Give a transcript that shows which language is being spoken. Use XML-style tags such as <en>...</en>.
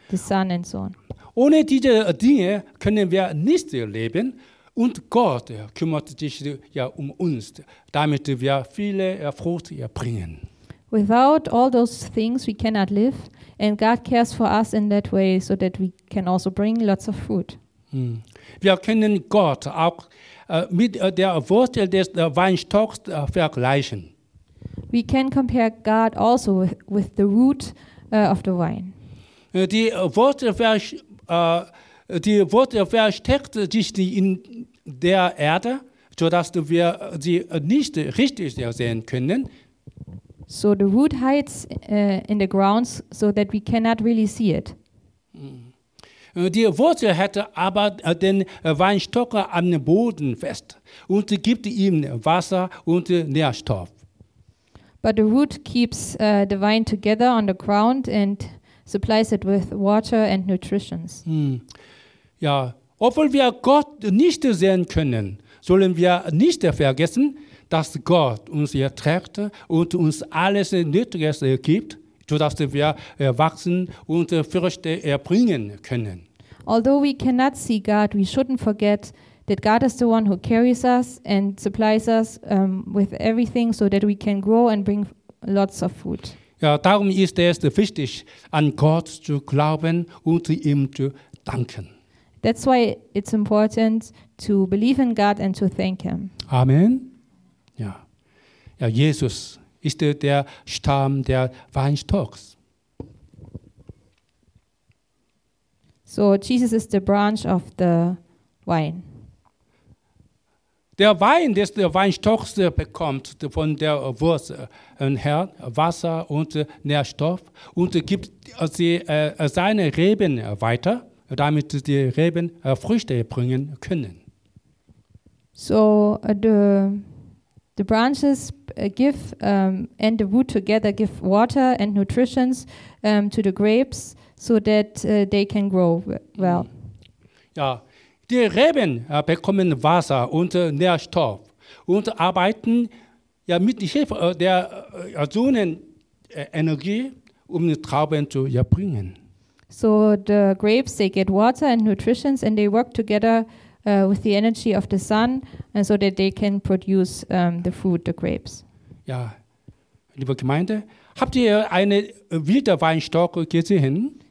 <en>The sun and so on.</en> <de>Ohne diese Dinge können wir nicht leben und Gott kümmert sich um uns, damit wir viele Frucht bringen.</de> <en>Without all those things we cannot live and God cares for us in that way so that we can also bring lots of fruit.</en> <de>Wir können Gott auch mit der Wurzel des Weinstocks vergleichen.</de> <en>We can compare God also with the root of the vine.</en> <de>Die Wurzel versteckt sich in der Erde, sodass wir sie nicht richtig sehen können.</de> <en>So the root hides in the grounds so that we cannot really see it.</en> <de>Die Wurzel hält aber den Weinstock am Boden fest und gibt ihm Wasser und Nährstoff.</de> <en>But the root keeps the vine together on the ground and supplies it with water and nutrition.</en> <de>Ja, Obwohl wir Gott nicht sehen können, sollen wir nicht vergessen, dass Gott uns erträgt und uns alles Nötige gibt, sodass wir wachsen und Früchte erbringen können.</de> <en>Although we cannot see God, we shouldn't forget that God is the one who carries us and supplies us with everything so that we can grow and bring lots of food.</en> <de>Ja, darum ist es wichtig, an Gott zu glauben und ihm zu danken.</de> <en>That's why it's important to believe in God and to thank him.</en> <de>Amen. Ja. Ja, Jesus ist der Stamm der Weinstocks.</de> <en>So Jesus is the branch of the vine.</en> <de>Der Wein, das der Weinstock bekommt von der Wurzel her, Wasser und Nährstoff, und gibt sie seine Reben weiter, damit die Reben Früchte bringen können.</de> <en>So the branches give and the wood together give water and nutrients to the grapes, so that they can grow well.</en> <de>Ja. Die Reben bekommen Wasser und Nährstoff und arbeiten ja mit Hilfe der Sonnenenergie, um die Trauben zu erbringen.</de> <en>So the grapes, they get water and nutrients and they work together with the energy of the sun, and so that they can produce the fruit, the grapes.</en> <de>Ja, liebe Gemeinde, habt ihr einen wilden Weinstock gesehen?</de>